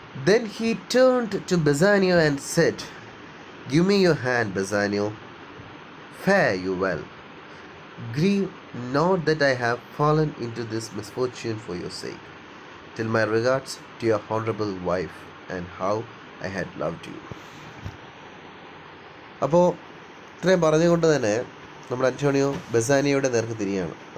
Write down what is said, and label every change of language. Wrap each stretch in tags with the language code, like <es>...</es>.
<en>Then he turned to Bassanio and said, give me your hand Bassanio, fare you well, grieve not that I have fallen into this misfortune for your sake. Till my regards to your honorable wife and how I had loved you.</en> <ml>അപ്പോൾ ഇത്രയും പറഞ്ഞുകൊണ്ട് തന്നെ നമ്മുടെ Antonio ബസാനിയോയുടെ നേർക്ക് തിരിയാണ്.</ml>